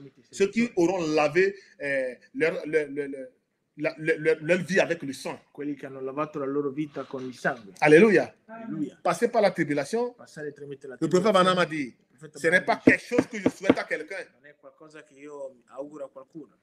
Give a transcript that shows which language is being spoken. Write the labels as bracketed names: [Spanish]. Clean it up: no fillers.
[French] Ceux qui auront lavé leur vie avec le sang. [Italian] Quelli che hanno lavato la loro vita con il sangue. [French] Alléluia. [Italian] Alléluia. [French] Passer par la tribulation. [Italian] Passare tramite la tribolazione. [French] Le prophète Bana m'a dit, ce n'est pas quelque chose que je souhaite à quelqu'un. [Italian] Non è qualcosa che io auguro a qualcuno.